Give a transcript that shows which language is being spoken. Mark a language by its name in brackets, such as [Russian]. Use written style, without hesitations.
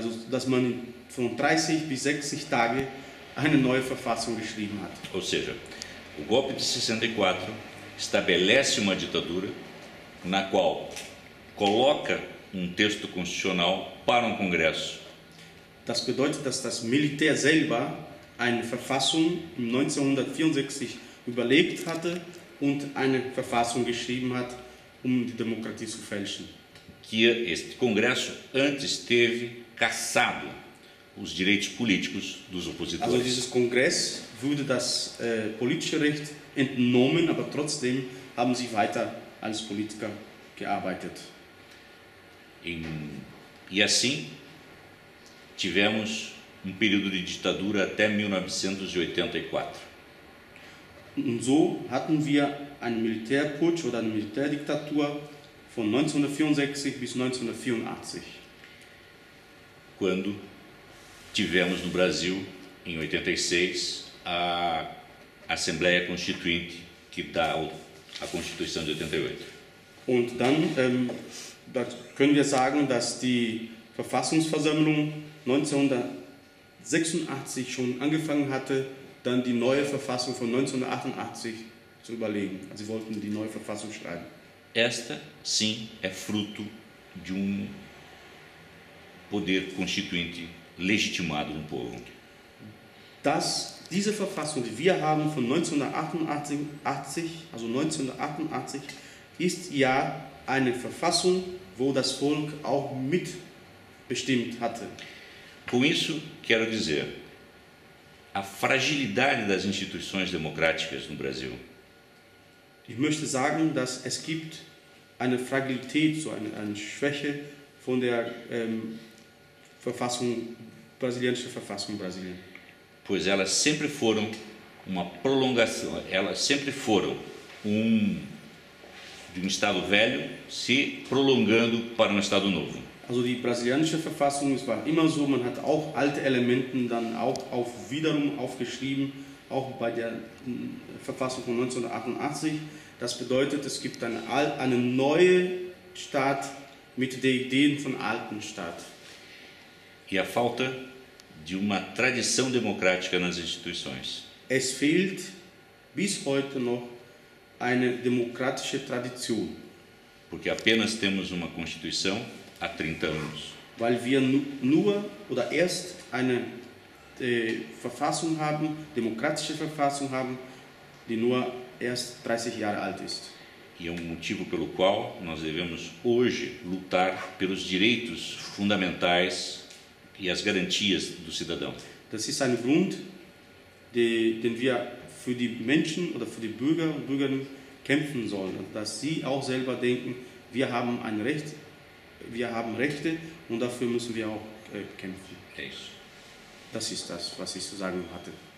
[German] Dass man von 30 bis 60 Tage eine neue Verfassung geschrieben hat. [Portuguese] Ou seja, o golpe de 64 estabelece uma ditadura na qual coloca um texto constitucional para um Congresso. [German] Das bedeutet, dass das Militär selber eine Verfassung 1964 überlegt hatte und eine Verfassung geschrieben hat, um die Demokratie zu fälschen. [Portuguese] Que este Congresso antes teve cassado os direitos políticos dos opositores. [German] Also dieses Kongress wurde das politische Recht entnommen, aber trotzdem haben sie weiter als Politiker gearbeitet. [Portuguese] E assim tivemos um período de ditadura até 1984. [German] Und so hatten wir einen Militärputsch oder eine Militärdiktatur von 1964 bis 1984. [Portuguese] Quando tivemos no Brasil em 86 a Assembleia Constituinte que dá a Constituição de 88. [German] Und dann da können wir sagen, dass die Verfassungsversammlung 1986 schon angefangen hatte, dann die neue Verfassung von 1988 zu überlegen. Sie wollten die neue Verfassung schreiben. [Portuguese] Esta, sim, é fruto de um poder constituinte legitimado no povo. [German] Diese Verfassung, die wir haben von 1988, ist ja eine Verfassung, wo das Volk auch mitbestimmt hatte. [Portuguese] Com isso, quero dizer, a fragilidade das instituições democráticas no Brasil. [German] Ich möchte sagen, dass es gibt eine Fragilität, so eine Schwäche von der Verfassung, brasilianische Verfassung in Brasilien. [Portuguese] Pois elas sempre foram uma prolongação, elas sempre foram de um Estado velho se prolongando para um Estado novo. [German] Also die brasilianische Verfassung, es war immer so, man hat auch alte Elemente dann auch auf wiederum aufgeschrieben, auch bei der Verfassung von 1988. Das bedeutet, es gibt einen neuen Staat mit den Ideen von alten Staat. [Portuguese] E a falta de uma tradição democrática nas instituições. [German] Es fehlt bis heute noch eine demokratische Tradition. [Portuguese] Porque apenas temos uma Constituição há 30 anos. [German] Weil wir nur oder erst eine Verfassung haben, demokratische Verfassung haben, die nur erst 30 Jahre alt ist. [Portuguese] E é um motivo pelo qual nós devemos hoje lutar pelos direitos fundamentais e as garantias do cidadão. [German] Das ist ein Grund, den wir für die Menschen oder für die Bürger und Bürgerinnen kämpfen sollen, dass sie auch selber denken, wir haben ein Recht, wir haben Rechte und dafür müssen wir auch kämpfen. [Portuguese] É isso. [German] Das ist das, was ich zu sagen hatte.